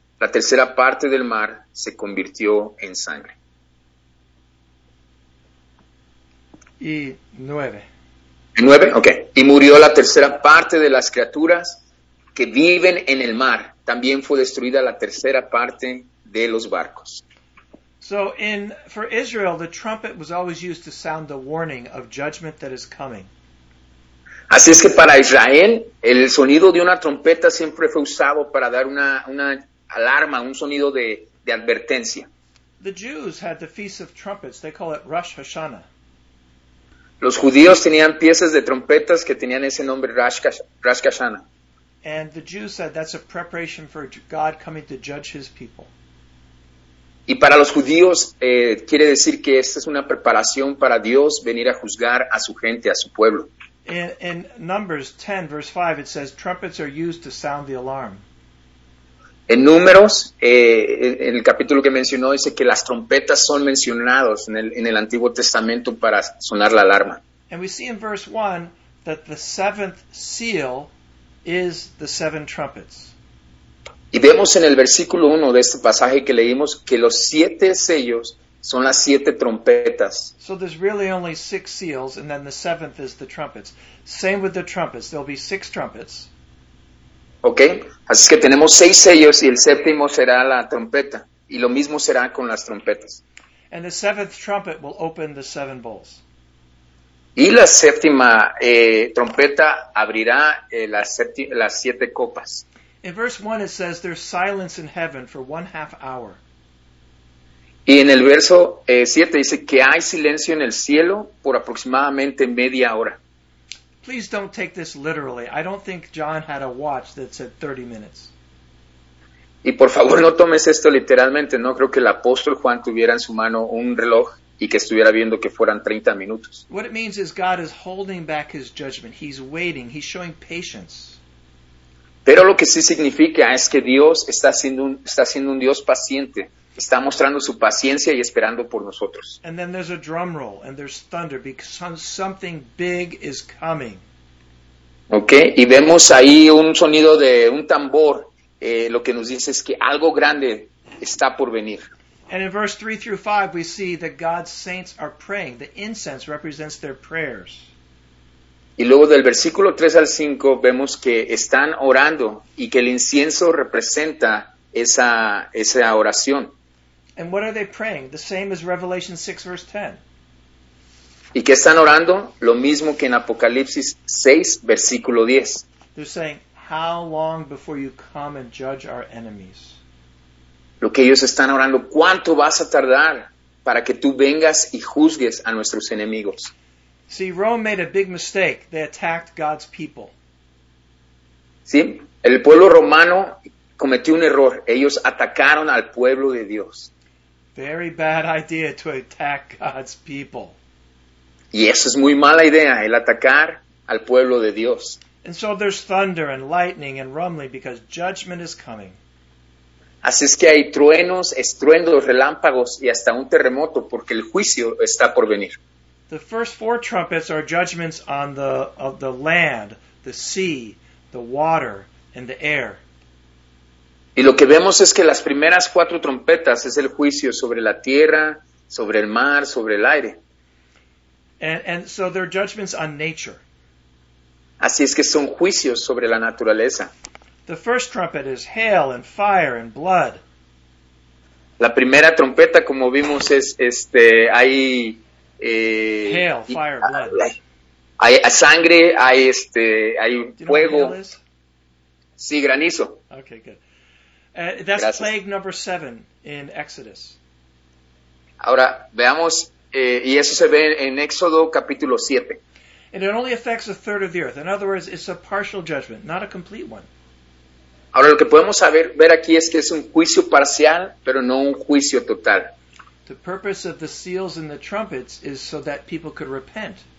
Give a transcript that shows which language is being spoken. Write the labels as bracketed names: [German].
[Spanish] La tercera parte del mar se convirtió en sangre. Y nueve. ¿9? Ok. Y murió la tercera parte de las criaturas que viven en el mar. También fue destruida la tercera parte de los barcos. [English] So, for Israel, the trumpet was always used to sound the warning of judgment that is coming. [Spanish] Así es que para Israel, el sonido de una trompeta siempre fue usado para dar una alarma, un sonido de advertencia. [English] The Jews had the Feast of Trumpets. They call it Rosh Hashanah. [Spanish] Los judíos tenían piezas de trompetas que tenían ese nombre, Rosh Hashanah. [English] And the Jews said that's a preparation for God coming to judge his people. [Spanish] Y para los judíos quiere decir que esta es una preparación para Dios venir a juzgar a su gente, a su pueblo. [English] In Numbers 10, verse 5, it says trumpets are used to sound the alarm. [Spanish] En Números, en el capítulo que mencionó, dice que las trompetas son mencionadas en el Antiguo Testamento para sonar la alarma. [English] And we see in verse 1 that the seventh seal is the seven trumpets. [Spanish] Y vemos en el versículo 1 de este pasaje que leímos que los siete sellos son las siete trompetas. [English] So there's really only six seals and then the seventh is the trumpets. Same with the trumpets. There'll be six trumpets. [Spanish] Okay, así que tenemos seis sellos y el séptimo será la trompeta. Y lo mismo será con las trompetas. [English] And the seventh trumpet will open the seven bowls. [Spanish] Y la séptima trompeta abrirá las siete copas. [English] In verse 1 it says there's silence in heaven for one half hour. [Spanish] Y en el verso 7 dice que hay silencio en el cielo por aproximadamente media hora. [English] Please don't take this literally. I don't think John had a watch that said 30 minutes. [Spanish] Y por favor no tomes esto literalmente. No creo que el apóstol Juan tuviera en su mano un reloj y que estuviera viendo que fueran 30 minutos. [English] What it means is God is holding back his judgment. He's waiting. He's showing patience. [Spanish] Pero lo que sí significa es que Dios está siendo un Dios paciente. Está mostrando su paciencia y esperando por nosotros. [English] And then there's a drum roll and there's thunder because something big is coming. [Spanish] Okay, y vemos ahí un sonido de un tambor. Lo que nos dice es que algo grande está por venir. [English] And in verse 3 through 5 we see that God's saints are praying. The incense represents their prayers. [Spanish] Y luego del versículo 3 al 5 vemos que están orando y que el incienso representa esa oración. [English] And what are they praying? The same as Revelation 6 verse 10. [Spanish] ¿Y qué están orando? Lo mismo que en Apocalipsis 6 versículo 10. [English] They're saying, how long before you come and judge our enemies? [Spanish] Lo que ellos están orando, ¿cuánto vas a tardar para que tú vengas y juzgues a nuestros enemigos? [English] See, Rome made a big mistake. They attacked God's people. [Spanish] Sí, el pueblo romano cometió un error. Ellos atacaron al pueblo de Dios. [English] Very bad idea to attack God's people. [Spanish] Y esa es muy mala idea, el atacar al pueblo de Dios. [English] And so there's thunder and lightning and rumbling because judgment is coming. [Spanish] Así es que hay truenos, estruendos, relámpagos y hasta un terremoto porque el juicio está por venir. [English] The first four trumpets are judgments on the land, the sea, the water, and the air. [Spanish] Y lo que vemos es que las primeras cuatro trompetas es el juicio sobre la tierra, sobre el mar, sobre el aire. [English] And so they're judgments on nature. [Spanish] Así es que son juicios sobre la naturaleza. [English] The first trumpet is hail and fire and blood. [Spanish] La primera trompeta, como vimos, es hay [English] hail, fire, blood. [Spanish] Hay sangre, hay hay fuego. Sí, granizo. [English] Okay, good. That's [Spanish] Gracias. [English] Plague number 7 in Exodus. [Spanish] Ahora veamos y eso se ve en Éxodo capítulo 7. [English] And it only affects a third of the earth. In other words, it's a partial judgment, not a complete one. [Spanish] Ahora lo que podemos ver aquí es que es un juicio parcial, pero no un juicio total. [English] The purpose of the seals and the trumpets is so that people could repent.